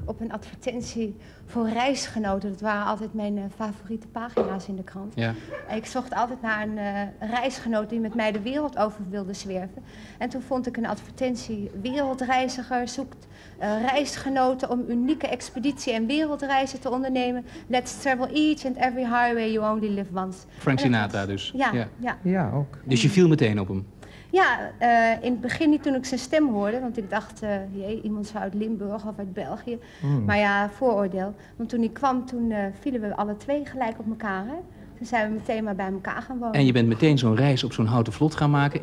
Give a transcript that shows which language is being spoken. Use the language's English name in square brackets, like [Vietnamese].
[Dutch] Op een advertentie voor reisgenoten. Dat waren altijd mijn favoriete pagina's in de krant. Ja. Ik zocht altijd naar een reisgenoot die met mij de wereld over wilde zwerven. En toen vond ik een advertentie. Wereldreiziger zoekt reisgenoten om unieke expeditie en wereldreizen te ondernemen. [English] Let's travel each and every highway you only live once. [Dutch] Frank Sinatra dus. Ja. Ja, ook. Dus je viel meteen op hem? Ja, in het begin niet toen ik zijn stem hoorde, want ik dacht, iemand zou uit Limburg of uit België. Mm. Maar ja, vooroordeel. Want toen hij kwam, toen vielen we alle twee gelijk op elkaar. Hè? Toen zijn we meteen maar bij elkaar gaan wonen. En je bent meteen zo'n reis op zo'n houten vlot gaan maken.